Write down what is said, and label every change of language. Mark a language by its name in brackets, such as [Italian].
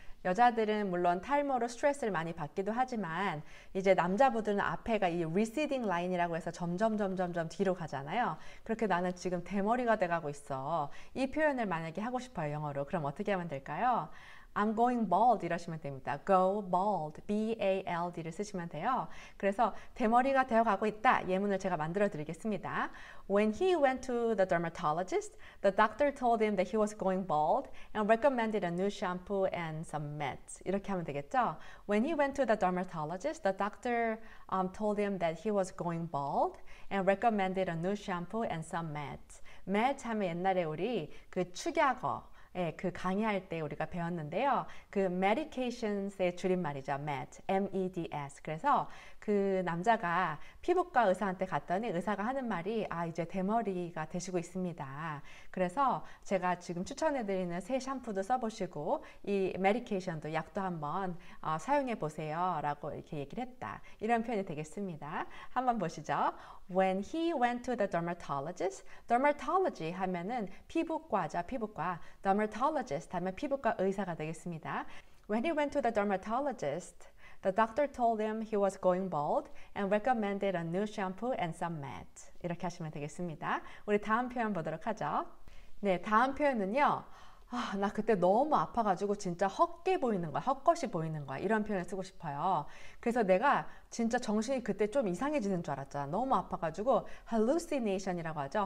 [Korean] 여자들은 물론 탈모로 스트레스를 많이 받기도 하지만, 이제 남자분들은 앞에가 이 [English] receding line [Korean] 이라고 해서 점점 뒤로 가잖아요. 그렇게 나는 지금 대머리가 돼 가고 있어. 이 표현을 만약에 하고 싶어요, 영어로. 그럼 어떻게 하면 될까요? [English] I'm going bald [Korean] 이러시면 됩니다. [English] Go bald, [Korean] BALD를 쓰시면 돼요. 그래서 대머리가 되어 가고 있다. 예문을 제가 만들어 드리겠습니다. [English] When he went to the dermatologist, the doctor told him that he was going bald and recommended a new shampoo and some meds. [Korean] 이렇게 하면 되겠죠? [English] When he went to the dermatologist, the doctor told him that he was going bald and recommended a new shampoo and some meds. [Korean] Meds 하면 옛날에 우리 그 축약어. 예, 그 강의할 때 우리가 배웠는데요. 그 medications의 줄임말이죠. meds, meds. 그래서 그 남자가 피부과 의사한테 갔더니 의사가 하는 말이, 아, 이제 대머리가 되시고 있습니다. 그래서 제가 지금 추천해드리는 새 샴푸도 써보시고, 이 medication도 약도 한번 사용해보세요. 라고 이렇게 얘기를 했다. 이런 표현이 되겠습니다. 한번 보시죠. [English] When he went to the dermatologist, dermatology [Korean] 하면은 피부과죠, 피부과. dermatologist 하면 피부과 의사가 되겠습니다. [English] When he went to the dermatologist, the doctor told him he was going bald and recommended a new shampoo and some meds. [Korean] 이렇게 하시면 되겠습니다. 우리 다음 표현 보도록 하죠. 네, 다음 표현은요. 아, 나 그때 너무 아파가지고 진짜 헛게 보이는 거야. 헛것이 보이는 거야. 이런 표현을 쓰고 싶어요. 그래서 내가 진짜 정신이 그때 좀 이상해지는 줄 알았잖아. 너무 아파가지고 hallucination이라고 하죠.